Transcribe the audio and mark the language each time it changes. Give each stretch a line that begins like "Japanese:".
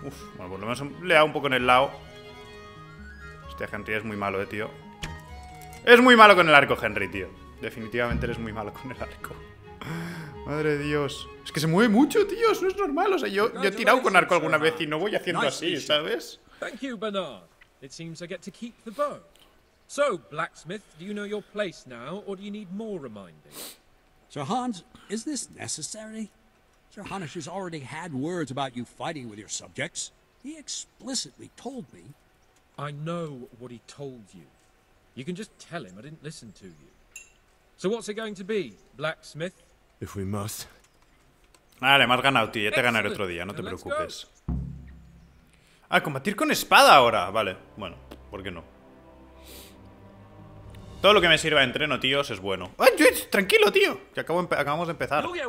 Spanish: Uf, bueno, por lo menos le he dado un poco en el lado. Hostia, Henry, es muy malo, tío. ¡Es muy malo con el arco, Henry, tío! Definitivamente eres muy malo con el arco. ¡Madre de Dios! ¡Es que se mueve mucho, tío! ¡Eso no es normal! O sea, yo he tirado con arco alguna vez y no voy haciendo así, ¿sabes? Gracias, Bernard. Parece que tengo que mantener el bow.
English: So, blacksmith, do you know your place now, or do you need more reminding? Sir Hans, is this necessary? Sir Hanush has already had words about you fighting with your subjects. He explicitly told me. I know what he told you. You can just tell him I didn't listen to you. So what's it going to be, blacksmith? If we must.
Spanish: Vale, me has ganado, tío. Ya te ganaré otro día, no te preocupes. Ah, combatir con espada ahora. Vale, bueno, ¿por qué no? Todo lo que me sirva de entreno, tíos, es bueno. ¡Ay, tranquilo, tío! Que acabamos de empezar.